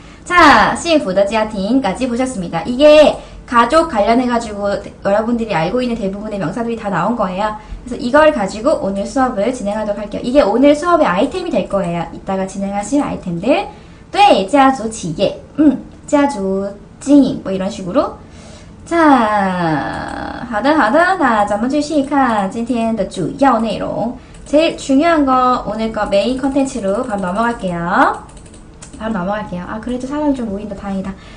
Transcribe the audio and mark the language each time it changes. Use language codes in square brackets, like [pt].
[ko] 자, 幸福的家庭까지 보셨습니다. 이게 가족 관련해가지고 여러분들이 알고 있는 대부분의 명사들이 다 나온 거예요. 그래서 이걸 가지고 오늘 수업을 진행하도록 할게요. 이게 오늘 수업의 아이템이 될 거예요. 이따가 진행하실 아이템들. 네, 家族企业, 家族经营 뭐 이런 식으로. [zh] 자, 好的好的, 나 咱们继续看今天的主要内容. [ko] 제일 중요한 거 오늘 거 메인 컨텐츠로 바로 넘어갈게요. 바로 넘어갈게요. 아 그래도 사람 좀 모인다 다행이다.